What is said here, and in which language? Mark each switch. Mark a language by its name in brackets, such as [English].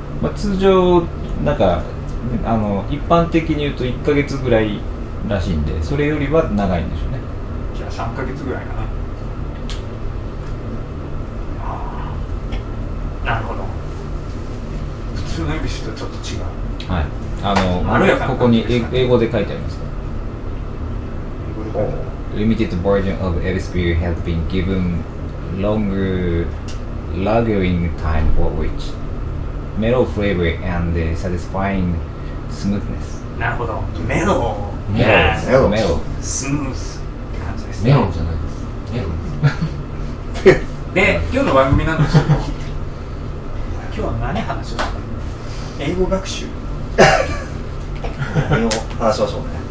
[Japanese] まあ、通常なんか、あの一般的に言うと1ヶ月ぐらいらしいんで、それよりは長いんでしょうね。じゃあ3ヶ月ぐらいかな。あ、なるほど。普通のエビスとちょっと違う。はい、あの、ね、ここに英語で書いてあります、ね、英語で書いてある。 [English] Limited version of Elvis beer has been given longer lagering time for which mellow flavor and satisfying smoothness。 [Japanese] なるほど、メロー、メロ、メロ、スムースって感じですね。メロじゃないです。メロ。で、今日の番組なんですけど、今日は何話をするの？英語学習。何を話しましょうね。